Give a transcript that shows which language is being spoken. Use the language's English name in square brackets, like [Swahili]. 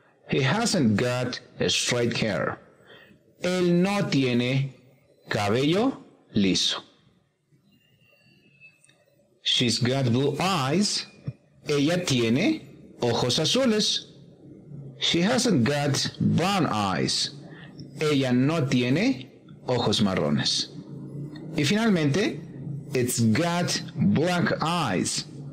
[English] He hasn't got straight hair. [Spanish] Él no tiene cabello liso. She's got blue eyes. Ella tiene ojos azules. [English] She hasn't got brown eyes. [Spanish] Ella no tiene ojos marrones. Y finalmente, [English] it's got black eyes.